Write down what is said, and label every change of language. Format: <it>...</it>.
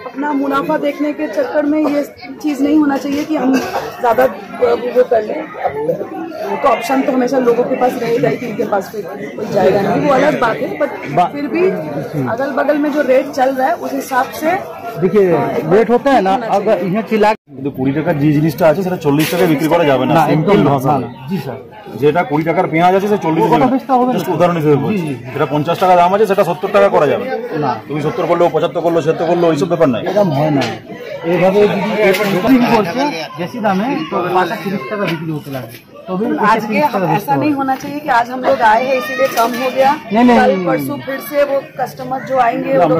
<hi>अपना मुनाफा देखने के चक्कर में ये चीज नहीं होना चाहिए कि हम ज्यादा वो कर ले। तो ऑप्शन तो हमेशा लोगों के पास रह जाएगी, इनके पास कोई जाएगा नहीं, वो अलग बात है। बट फिर भी अगल बगल में जो रेट चल रहा है उस हिसाब से देखिए, रेट होता है ना। अगर यहाँ चिल्ला</hi> <bn>কুড়ি টাকার যে জিনিসটা আছে সেটা চল্লিশ টাকায় বিক্রি করা যাবে না, একদম না। যেটা কুড়ি টাকার পেঁয়াজ আছে সেটা চল্লিশ টাকা, উদাহরণ হিসেবে যেটা পঞ্চাশ টাকা দাম আছে সেটা সত্তর টাকা করা যাবে না। তুমি সত্তর করলো, পঁচাত্তর করলো, ছিয়াত্তর করলো, এইসব ব্যাপার নাই, এরকম হয় না। এভাবে যদি বেশি দামে তিরিশ টাকা বিক্রি হতে লাগে,</bn> <hi>आज के ऐसा नहीं होना चाहिए कि आज हम लोग आए हैं इसीलिए कम हो गया, कल परसों फिर से वो कस्टमर जो आएंगे</hi>